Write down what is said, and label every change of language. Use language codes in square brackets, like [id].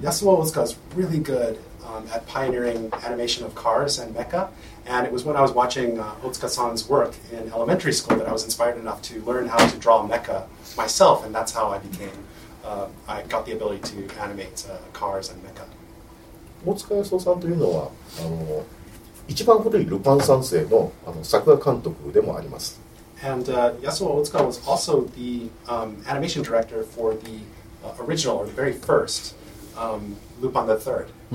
[en] Yasuo Otsuka is really good at pioneering animation of cars and mecha. And it was when I was watching Otsuka-san's work in elementary school that I was inspired enough to learn how to draw mecha myself. And that's how I became, I got the ability to animate cars and mecha. [ja] Otsuka Yasuo-san というのは一番古いルパン三世の作画監督でもあります。 [en] And Yasuo Otsuka was also the animation director for the original, or the very first, Lupin the Third.